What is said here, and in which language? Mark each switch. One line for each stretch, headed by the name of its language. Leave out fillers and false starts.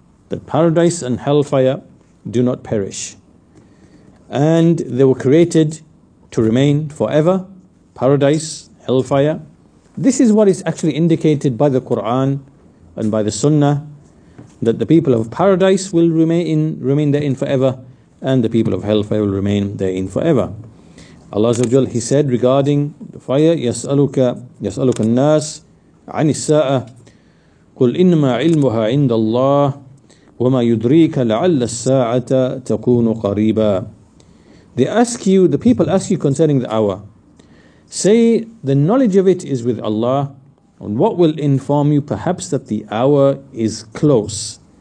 English: That paradise and hellfire do not perish. And they were created to remain forever. Paradise, hellfire. This is what is actually indicated by the Quran and by the Sunnah, that the people of paradise will remain therein forever, and the people of hellfire will remain therein forever. Allah Azza wa Jal, He said regarding the fire,
Arabic: يَسْأَلُكَ النَّاسِ عَنِ السَّاعَةِ قُلْ إِنَّمَا عِلْمُهَا عِنْدَ اللَّهِ وَمَا يُدْرِيكَ لَعَلَّ السَّاعَةَ تَكُونُ قَرِيبًا.
English: They ask you, the people ask you concerning the hour. Say, the knowledge of it is with Allah, and what will inform you perhaps that the hour is close.